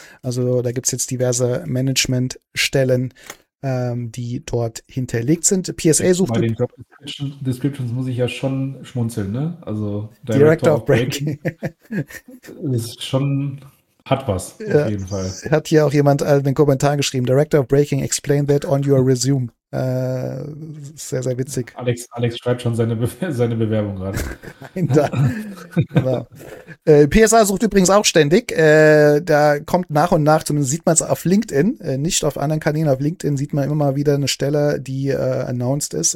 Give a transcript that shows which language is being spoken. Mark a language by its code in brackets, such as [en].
[de] Also da gibt es jetzt diverse Managementstellen, die dort hinterlegt sind. PSA sucht. Bei den Job Descriptions muss ich ja schon schmunzeln, ne? Also [en] Director of Breaking. [de] Ist schon. Hat was, auf jeden Fall. Hat hier auch jemand einen Kommentar geschrieben. [en] Director of Breaking, explain that on your resume. [de] Sehr, sehr witzig. Alex schreibt schon seine Bewerbung gerade. Nein, PSA sucht übrigens auch ständig. Da kommt nach und nach, zumindest sieht man es auf LinkedIn, nicht auf anderen Kanälen, auf LinkedIn sieht man immer mal wieder eine Stelle, die announced ist.